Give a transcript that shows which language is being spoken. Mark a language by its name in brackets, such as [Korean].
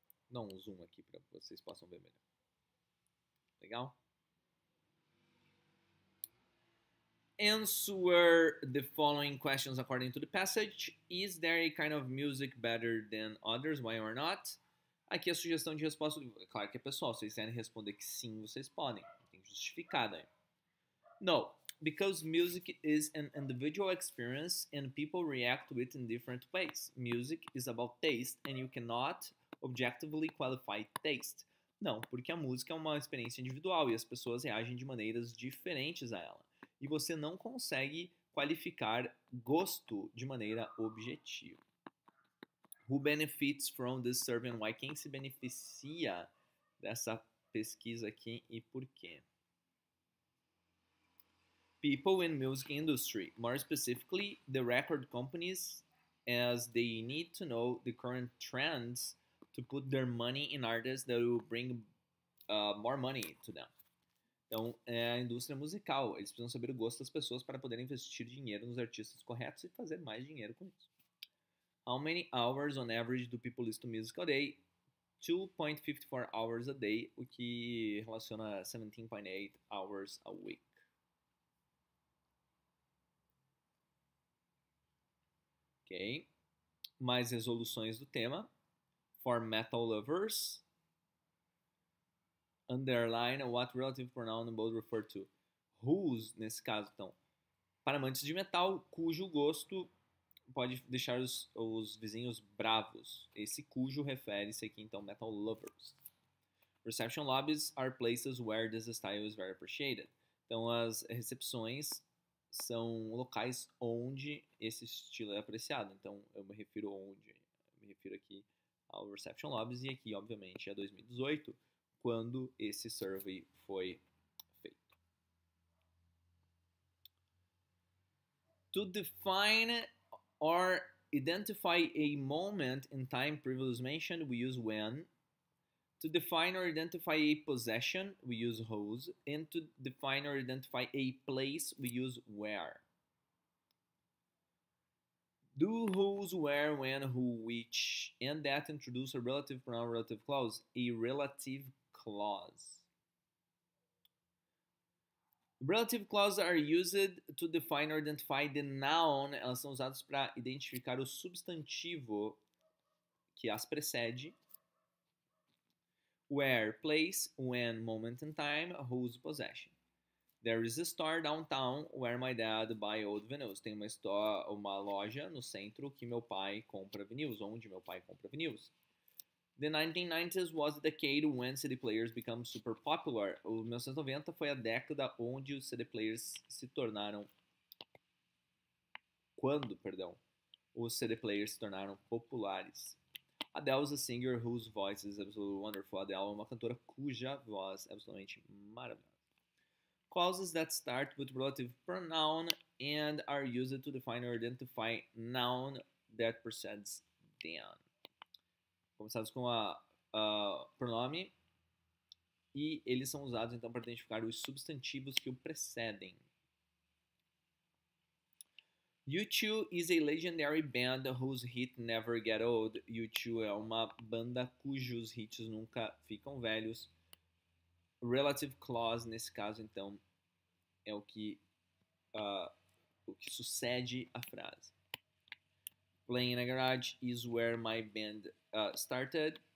[Portuguese] Dá um zoom aqui para vocês possam ver melhor. Legal? [English] Answer the following questions according to the passage. Is there a kind of music better than others? Why or not? [Portuguese] Aqui a sugestão de resposta. Claro que é pessoal. Se vocês querem responder que sim, vocês podem. Tem justificada aí. [English] No, because music is an individual experience and people react to it in different ways. Music is about taste and you cannot objectively qualify taste. [Portuguese] Não, porque a música é uma experiência individual e as pessoas reagem de maneiras diferentes a ela. E você não consegue qualificar gosto de maneira objetiva. [English] Who benefits from this survey and why? [Portuguese] Quem se beneficia dessa pesquisa aqui e por quê? [English] People in music industry. More specifically, the record companies, as they need to know the current trends to put their money in artists that will bring more money to them. [Portuguese] Então, é a indústria musical. Eles precisam saber o gosto das pessoas para poder investir dinheiro nos artistas corretos e fazer mais dinheiro com isso. [English] How many hours on average do people listen to music a day? 2.54 hours a day, [Portuguese] o que relaciona [English] 17.8 hours a week. [Portuguese] Ok, mais resoluções do tema. [English] For metal lovers, underline what relative pronoun both refer to. [Portuguese] Whose, nesse caso, então. Para amantes de metal, cujo gosto pode deixar os vizinhos bravos. Esse cujo refere-se aqui, então, metal lovers. [English] Reception lobbies are places where this style is very appreciated. [Portuguese] Então, as recepções são locais onde esse estilo é apreciado. Então, eu me refiro onde? Eu me refiro aqui ao Reception Lobbies e aqui, obviamente, é 2018, quando esse survey foi feito. [English] To define or identify a moment in time previously mentioned, we use when. To define or identify a possession, we use whose. And to define or identify a place, we use where. Do, whose, where, when, who, which. And that introduce a relative pronoun, relative clause. A relative clause. Relative clauses are used to define or identify the noun. [Portuguese] Elas são usadas para identificar o substantivo que as precede. [English] Where, place, when, moment in time, whose possession. There is a store downtown where my dad buys old vinyls. [Portuguese] Tem uma store, uma loja no centro que meu pai compra vinyls, onde meu pai compra vinyls. [English] The 1990s was the decade when CD players became super popular. [Portuguese] O 1990 foi a década onde os CD players se tornaram... Quando, perdão. Os CD players se tornaram populares. [English] Adele is a singer whose voice is absolutely wonderful. [Portuguese] Adele é uma cantora cuja voz é absolutamente maravilhosa. [English] Clauses that start with relative pronoun and are used to define or identify noun that precedes them. [Portuguese] Começamos com a pronome. E eles são usados então para identificar os substantivos que o precedem. [English] U2 is a legendary band whose hit never get old. [Portuguese] U2 é uma banda cujos hits nunca ficam velhos. Relative clause, nesse caso, então, é o que sucede a frase. [English] Playing in a garage is where my band started.